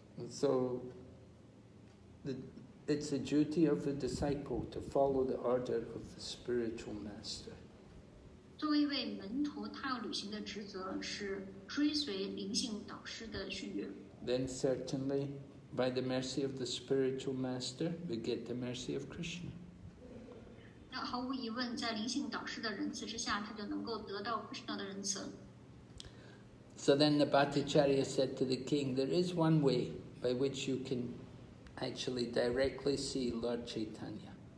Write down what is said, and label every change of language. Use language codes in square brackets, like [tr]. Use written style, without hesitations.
[en] So, it's the duty of the disciple to follow the order of the spiritual master. [zh] 作为一位门徒，他要履行的职责是追随灵性导师的训谕。 [en] Then certainly, by the mercy of the spiritual master, we get the mercy of Krishna. [zh] 那毫无疑问，在灵性导师的仁慈之下，他就能够得到Krishna的仁慈。 [en] So then the Bhattacharya said to the king, there is one way by which you can actually directly see Lord Chaitanya.